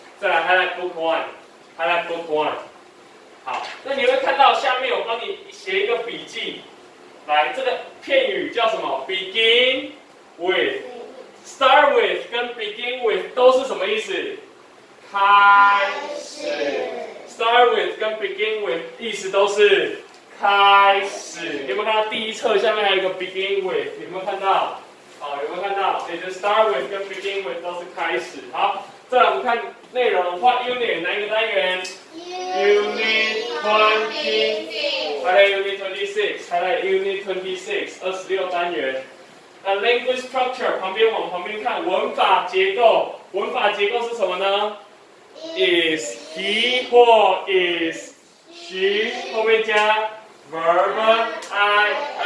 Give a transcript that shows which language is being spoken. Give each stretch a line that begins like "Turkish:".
Chinese: 再来
English: ，highlight book one，highlight book one。
Chinese: 好，那你会看到下面我帮你写一个笔记。来，这个片语叫什么 ？
English: Begin with，start with
Chinese: 跟 begin with 都是什么意思？开始。
English: Start with
Chinese: 跟
English: begin with
Chinese: 意思都是开始。有没有看到第一册下面还有一个 begin with？有没有看到？好，有没有看到？也就 start with 跟 begin with 都是开始。好。再来，我们看内容。
English: What unit
Chinese: 哪一个单元
English: ？Unit 26。 Highlight Unit 26。 Highlight Unit 26。
Chinese: 26单元。那 language structure 旁边往旁边看，文法结构。文法结构是什么呢 ？
English: Is he
Chinese: 或
English: is she
Chinese: 后面加 verb ing。